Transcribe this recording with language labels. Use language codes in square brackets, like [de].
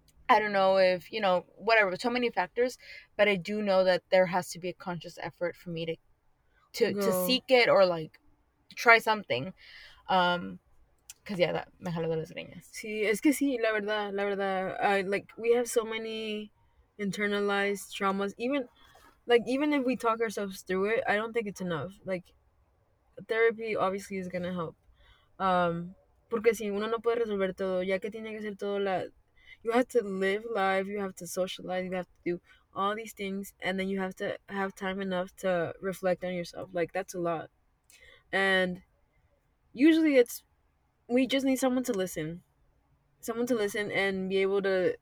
[en] I don't know if, you know, whatever, so many factors, but I do know that there has to be a conscious effort for me to seek it or, like, try something. Because, that [es] me jaló de las greñas. Sí, es que sí, la verdad. [en] Like, we have so many internalized traumas. Even if we talk ourselves through it, I don't think it's enough. Like, therapy obviously is going to help. [es] Porque si uno no puede resolver todo, ya que tiene que ser todo la... [en] You have to live life, you have to socialize, you have to do all these things, and then you have to have time enough to reflect on yourself. Like, that's a lot. And usually we just need someone to listen. Someone to listen and be able to...